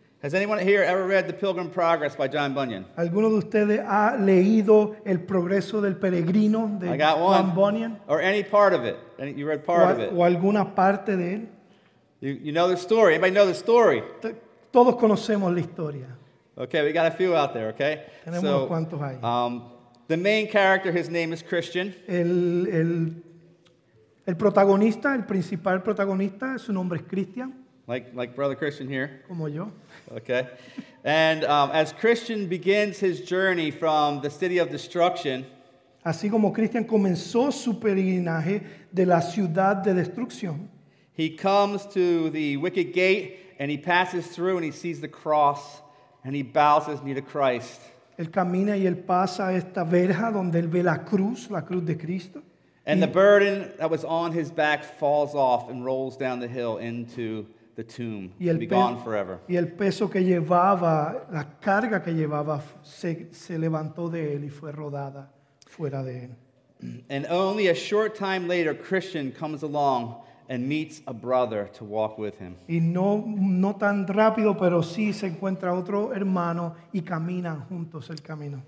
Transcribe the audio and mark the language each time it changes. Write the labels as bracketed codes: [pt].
[en] Has anyone here ever read The Pilgrim's Progress by John Bunyan? [es] ¿Alguno de ustedes ha leído El Progreso del Peregrino de Juan Bunyan? [en] Or any part of it? You read part of it? [es] ¿O alguna parte de él? [en] You know the story. Anybody know the story? [es] Todos conocemos la historia. [en] Okay, we got a few out there, okay? [es] Tenemos unos cuantos ahí. [en] The main character, his name is Christian. [es] El protagonista, el principal protagonista, su nombre es Christian. [en] Like brother Christian here. [es] Como yo. [en] Okay. And as Christian begins his journey from the city of destruction, [es] así como Christian comenzó su peregrinaje de la ciudad de destrucción, [en] he comes to the wicked gate and he passes through and he sees the cross and he bows his knee to Christ. [es] Él camina y él pasa a esta verja donde él ve la cruz de Cristo. [en] And the burden that was on his back falls off and rolls down the hill into the tomb to be gone forever. [es] Y el peso que llevaba, la carga que llevaba, se levantó de él y fue rodada fuera de él. [en] And only a short time later, Christian comes along and meets a brother to walk with him. [es] Y no tan rápido, pero sí se encuentra otro hermano y caminan juntos el camino.